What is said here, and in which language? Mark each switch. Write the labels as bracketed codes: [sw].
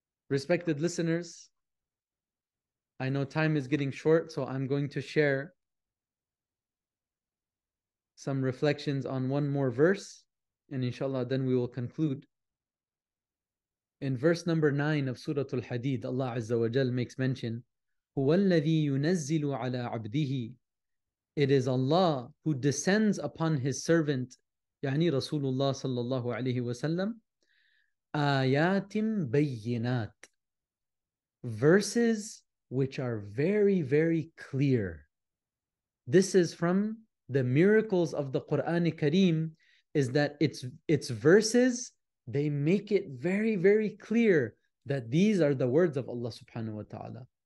[en] Respected listeners, I know time is getting short, so I'm going to share some reflections on one more verse, and inshallah, then we will conclude. In verse number 9 of Surah Al-Hadid, Allah Azza wa Jal makes mention, [ar] هُوَ الَّذِي يُنَزِّلُ عَلَىٰ عَبْدِهِ. [en] It is Allah who descends upon His servant, [ar] يعني رسول الله صلى الله عليه وسلم, آيَاتٍ بَيِّنَاتٍ. [en] verses which are very, very clear. This is from the miracles of the Qur'an Kareem, is that its verses, they make it very, very clear that these are the words of Allah subhanahu wa ta'ala.